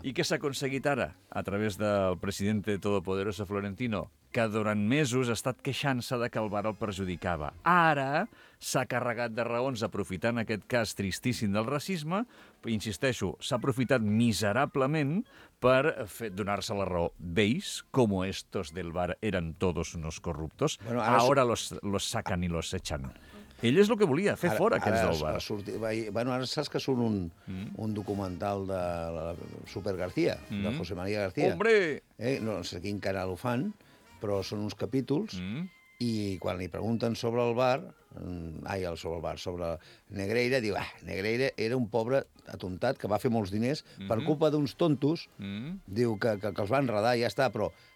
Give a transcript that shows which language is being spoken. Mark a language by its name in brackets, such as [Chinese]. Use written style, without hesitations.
[Catalan] I què s'ha aconseguit ara, a través del presidente todopoderoso Florentino, que durant mesos ha estat queixant-se de que el VAR el perjudicava. Ara s'ha carregat de raons, aprofitant aquest cas tristíssim del racisme, insisteixo, s'ha aprofitat miserablement per donar-se la raó. [Spanish] Veis como estos del VAR eran todos unos corruptos? Bueno, ahora los sacan y los echan. [Catalan] Ell és el que volia, fer fora aquests del VAR. Ara saps que surt un documental de Super García, de José María García. Hombre! No sé quin canal ho fan, però són uns capítols, i quan li pregunten sobre el VAR, sobre Negreira, diu, Negreira era un pobre atontat que va fer molts diners per culpa d'uns tontos, diu que els van enredar, ja està, però...